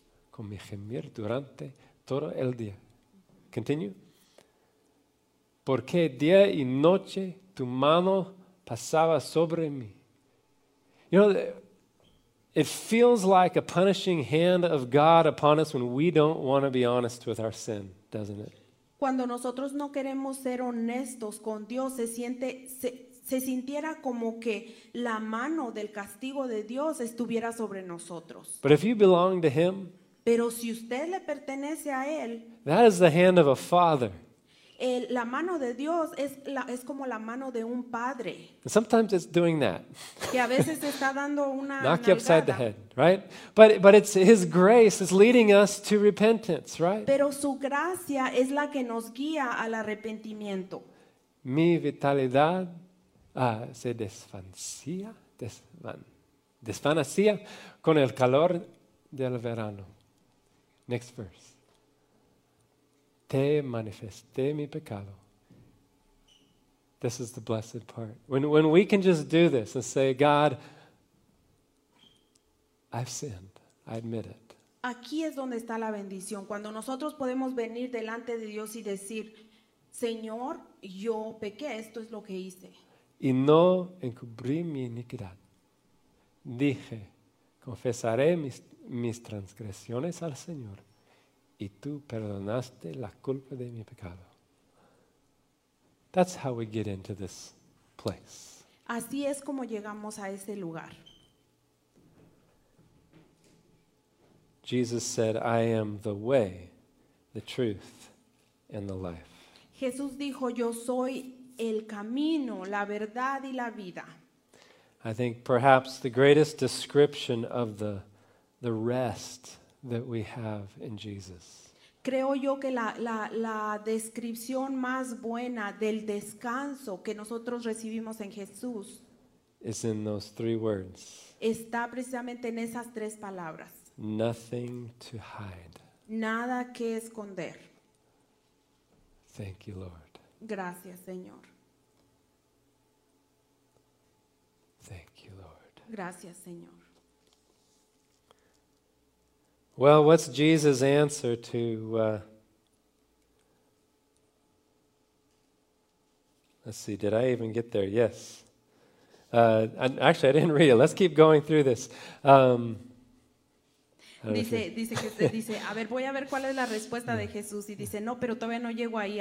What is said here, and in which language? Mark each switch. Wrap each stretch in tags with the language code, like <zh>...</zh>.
<es>Con mi gemir durante todo el día. Continue. Porque día y noche tu mano pasaba sobre mí.</es> <en>You know, it feels like a punishing hand of God upon us when we don't want to be honest with our sin, doesn't it?</en> <es>Cuando nosotros no queremos ser honestos con Dios, se sintiera como que la mano del castigo de Dios estuviera sobre nosotros.</es> <en>But if you belong to him,</en> <es>pero si usted le pertenece a él,</es> <en>that is the hand of a father.</en> <es>La mano de Dios es como la mano de un padre.</es> <en>And sometimes it's doing that.</en> <es>Que a veces está dando una</es> <en>knock you upside the head, right? But it's His grace is leading us to repentance, right?</en> <es>Pero su gracia es la que nos guía al arrepentimiento. Mi vitalidad se desvanecía, desvanecía con el calor del verano.</es> <en>Next verse.</en> <es>Te manifesté mi pecado.</es> <en>This is the blessed part. When we can just do this and say, God, I've sinned. I admit it.</en> <es>Aquí es donde está la bendición. Cuando nosotros podemos venir delante de Dios y decir, Señor, yo pequé. Esto es lo que hice. Y no encubrí mi iniquidad. Dije, confesaré mis transgresiones al Señor. Y tú perdonaste la culpa de mi pecado.</es> <en>That's how we get into this place.</en> <es>Así es como llegamos a ese lugar.</es> <en>Jesus said, I am the way, the truth, and the life.</en> <es>Jesús dijo, yo soy el camino, la verdad y la vida.</es> <en>I think perhaps the greatest description of the rest that we have in Jesus.</en> <es>Creo yo que la descripción más buena del descanso que nosotros recibimos en Jesús</es> <en>is in those three words.</en> <es>Está precisamente en esas tres palabras.</es> <en>Nothing to hide.</en> <es>Nada que esconder.</es> <en>Thank you, Lord.</en> <es>Gracias, Señor.</es> <en>Thank you, Lord.</en> <es>Gracias, Señor.</es> <en>Well, what's Jesus' answer to let's see, did I even get there? Yes. Actually, I didn't read it. Let's keep going through this.</en> <es>Dice, a ver, voy a ver cuál es la respuesta de Jesús. Y dice, no, pero todavía no llego ahí.</es>